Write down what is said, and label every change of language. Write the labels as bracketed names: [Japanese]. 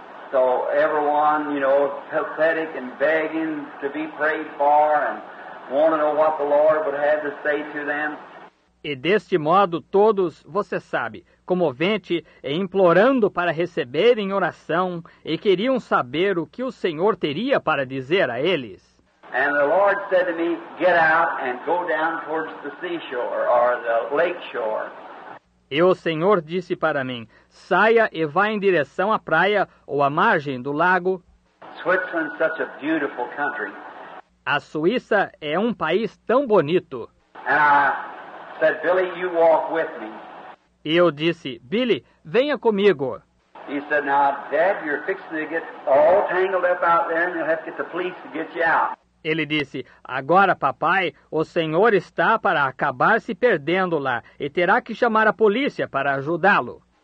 [English] So everyone, you know, pathetic and begging to be prayed for and want to know what the Lord would have to say to them. [Portuguese] E deste modo, todos, você sabe, comovente e implorando para receberem oração e queriam saber o que o Senhor teria para dizer a eles. [English] And the Lord said to me, get out and go down towards the seashore or the lake shore. [Portuguese] E o Senhor disse para mim, saia e vá em direção à praia ou à margem do lago. [English] Switzerland is such a beautiful country. [Portuguese] A Suíça é um país tão bonito. [English] And I said, Billy, you walk with me. [Portuguese] E eu disse, Billy, venha comigo. [English] He said, now, Dad, you're fixing to get all tangled up out there and you'll have to get the police to get you out. [Portuguese] Ele disse, agora, papai, o senhor está para acabar se perdendo lá e terá que chamar a polícia para ajudá-lo.